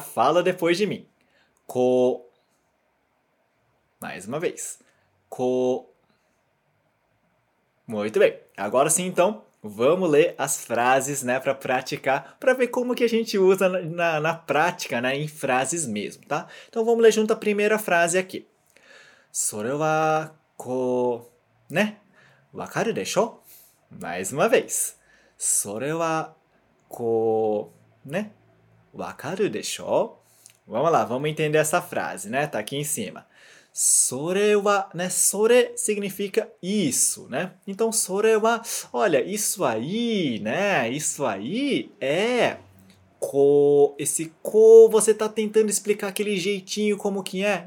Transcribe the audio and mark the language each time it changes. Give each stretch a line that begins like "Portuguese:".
Portuguese: Fala depois de mim. Co. Mais uma vez. Co. Muito bem. Agora sim, então, vamos ler as frases, né, para praticar, para ver como que a gente usa na prática, né, em frases mesmo, tá? Então, vamos ler junto a primeira frase aqui.
Japanese: それはこう、ね、わかるでしょ?
Portuguese: Mais uma vez.
Japanese: それはこう、ね、わかるでしょ?
Portuguese: Vamos lá, vamos entender essa frase, né? Tá aqui em cima. Sore wa, né? Sore significa isso, né? Então, sore wa, olha, isso aí, né? Isso aí é ko. Esse ko, você tá tentando explicar aquele jeitinho como que é.